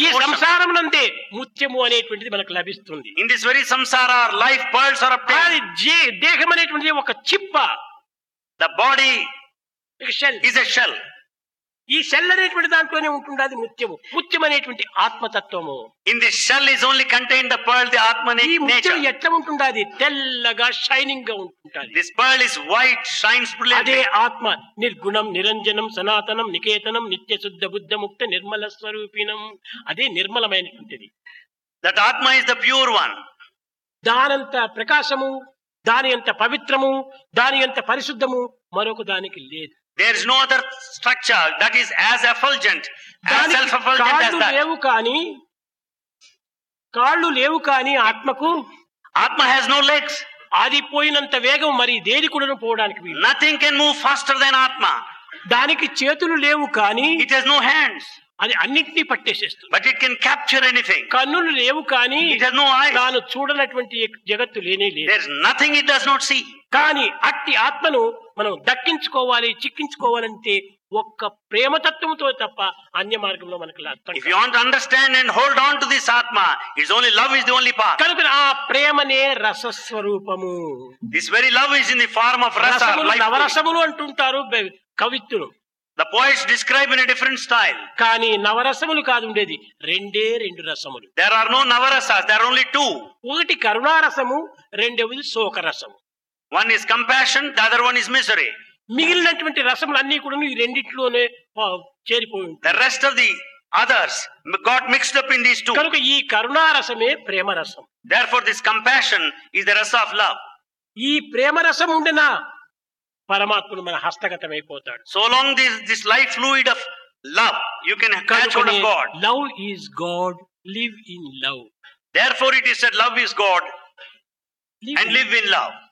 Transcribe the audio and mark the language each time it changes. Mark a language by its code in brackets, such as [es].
[te] ఈ సంసారమందే ముత్యము అనేటువంటిది మనకు లభిస్తుంది. [en] In this very samsara our life pearls are obtained. [te] అది దేహం అనేటువంటిది ఒక చిప్ప. [en] The body shell. Is a shell. [te] ఈ షెల్ అనేటువంటి దాంట్లోనే ఉంటుండాలి ముత్యము. ముత్యం అనేటువంటి ఆత్మతత్వము. [en] In the shell is only contain the pearl the atma nature. [te] ఎట్లా ఉంటుండాలి? తెల్లగా షైనింగ్ గా ఉంటుండాలి. [en] This pearl is white shines brilliant. [te] అదే ఆత్మ నిర్గుణం నిరంజనం సనాతనం నికేతనం నిత్య శుద్ధ బుద్ధ ముక్త నిర్మల స్వరూపీణం. అదే నిర్మలమైనటువంటిది. [en] That atma is the pure one. [te] దానంత ప్రకాశము దాని అంత పవిత్రము దాని అంత పరిశుద్ధము మరొక దానికి లేదు. [en] There is no other structure that is as effulgent, as self-effulgent as that. [te] కాళ్ళు లేవు కానీ, కాళ్ళు లేవు కానీ ఆత్మకు. [en] Atma has no legs. [te] అది పోయినంత వేగం మరి దేని కూడా పోవడానికి. [en] Nothing can move faster than Atma. [te] దానికి చేతులు లేవు కానీ. [en] It has no hands. [te] అది అన్నింటినీ పట్టేసేస్తుంది. [en] But it can capture anything. [te] కన్నులు లేవు కానీ. [en] It has no eyes. [te] దాని చూడనటువంటి జగత్తు లేనే లేదు. [en] There is nothing it does not see. [te] కానీ అట్టి ఆత్మను మనం దక్కించుకోవాలి చిక్కించుకోవాలంటే ఒక్క ప్రేమ తత్వంతో తప్ప అన్య మార్గంలో మనకు అర్థం. [en] If you want to understand and hold on to this atma, it's only love is the only path. [te] కనుక ఆ ప్రేమనే రసస్వరూపము. [en] This very love is in the form of rasa. [te] నవరసములు అంటుంటారు కవిత్తులు. [en] The poets describe in a different style. [te] కాని నవరసములు కాదుండేది రెండే రెండు రసములు. [en] There are no navarasas, there are only two. [te] ఒకటి కరుణారసము రెండవది శోక రసము. [en] One is compassion, the other one is misery. [te] మిగిలినటువంటి రసములు అన్ని కూడా ఈ రెండిట్లోనే చేరిపోయి ఉంటాయి. [en] The rest of the others got mixed up in these two. [te] కనుక ఈ కరుణా రసమే ప్రేమ రసం. [en] Therefore this compassion is the rasa of love. [te] ఈ ప్రేమ రసం ఉండినా పరమాత్మను మన హస్తగతం అయిపోతాడు. [en] So long this life fluid of love, you can catch hold of God. Love is God, live in love. Therefore it is said love is God and live in love.